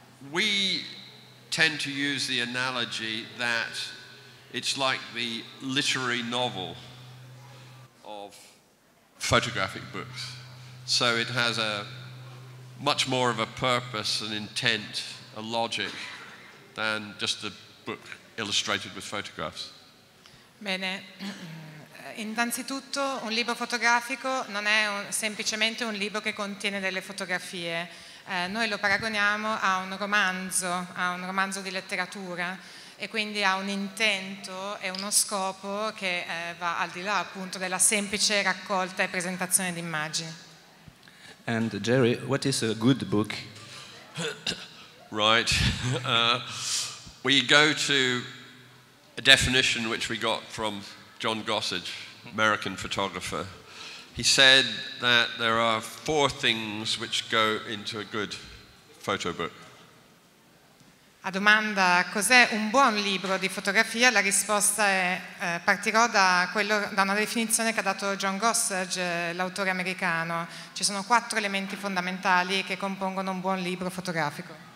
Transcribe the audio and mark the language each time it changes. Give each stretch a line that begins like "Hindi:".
English: We tend to use the analogy that it's like the literary novel of photographic books. So it has a much more of a purpose, an intent, a logic, than just a book illustrated with photographs.
Italian: Bene. Innanzitutto, un libro fotografico non è semplicemente un libro che contiene delle fotografie. Noi lo paragoniamo a un romanzo di letteratura, e quindi ha un intento e uno scopo che va al di là, appunto, della semplice raccolta e presentazione di immagini.
English: And Jerry, what is a good book? Right. We go to a definition which we got from John Gossage, American photographer. He said that there are four things which go into a good photo book.
Italian: A domanda cos'è un buon libro di fotografia, la risposta è partirò da quello da una definizione che ha dato John Gossage, l'autore americano. Ci sono quattro elementi fondamentali che compongono un buon libro fotografico.